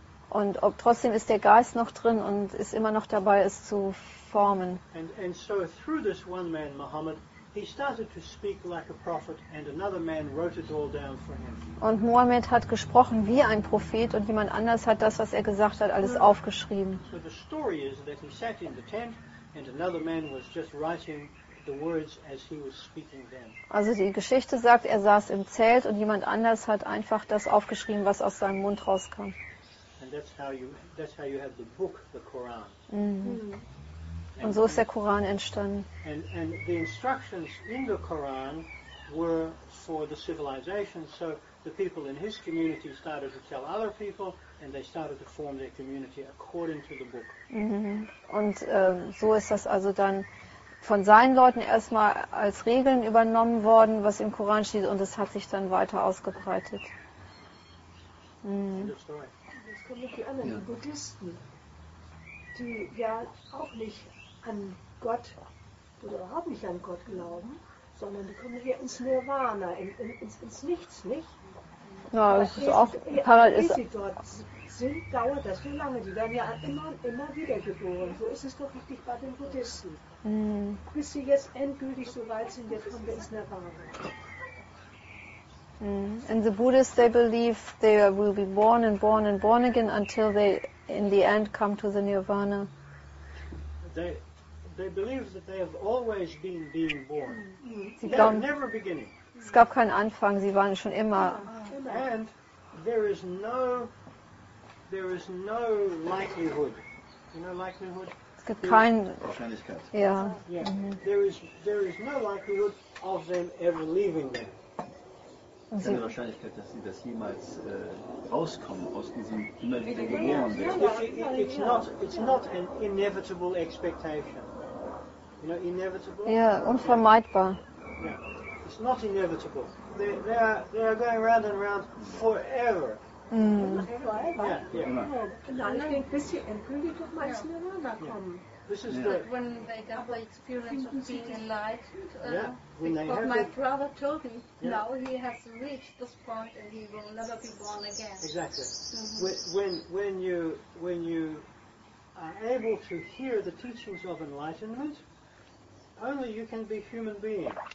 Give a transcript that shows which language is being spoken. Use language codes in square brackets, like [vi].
[de] Und trotzdem ist der Geist noch drin und ist immer noch dabei, es zu formen. Und so durch diesen einen Mann, [en] Mohammed, he started to speak like a prophet, and another man wrote it all down for him. [de] Und Mohammed hat gesprochen wie ein Prophet, und jemand anders hat das, was er gesagt hat, alles aufgeschrieben. [en] So the story is that he sat in the tent, and another man was just writing the words as he was speaking them. [de] Also die Geschichte sagt, er saß im Zelt, und jemand anders hat einfach das aufgeschrieben, was aus seinem Mund rauskam. [en] And that's how you have the book, the Quran. [de] Mm-hmm. Und so ist der Koran entstanden. [en] And the instructions in the Quran were for the civilization, so the people in his community started to tell other people, and they started to form their community according to the book. [de] Und so ist das also dann von seinen Leuten erstmal als Regeln übernommen worden, was im Koran steht, und es hat sich dann weiter ausgebreitet. Jetzt kommen die anderen, die Buddhisten, die ja auch nicht an Gott oder überhaupt nicht an Gott glauben, sondern die kommen hier ins Nirvana, ins Nichts, nicht? Ja, das ist auch Paradies. Wie sie dort sind, dauert das wie lange? Die werden ja immer und immer wieder geboren. So ist es doch richtig bei den Buddhisten. Mhm. Bis sie jetzt endgültig so weit sind, jetzt kommen wir ins Nirvana. [en] And the Buddhists, they believe they will be born and born and born again until they in the end come to the Nirvana. They believe that they have always been being born. They never beginning. [de] Es gab keinen Anfang, sie waren schon immer. [en] And there is no likelihood. You know likelihood? [de] Es gibt keinen Wahrscheinlichkeit. Yeah. [en] There is no likelihood of them ever leaving them. [de] Keine Wahrscheinlichkeit, dass sie das jemals rauskommen aus diesem immer wieder geboren werden. [en] It's not an inevitable expectation. You know, inevitable. [de] Ja, unvermeidbar. [en] Yeah. It's not inevitable. They are going round and round forever. Mm. Yeah. [de] Nein, ich denke, bis sie endgültig durch mal ins Nirvana kommen. [en] When they got the experience of being enlightened, because my brother told me now he has reached this point and he will never be born again. Exactly. Mm-hmm. When you are able to hear the teachings of enlightenment, only you can be human being.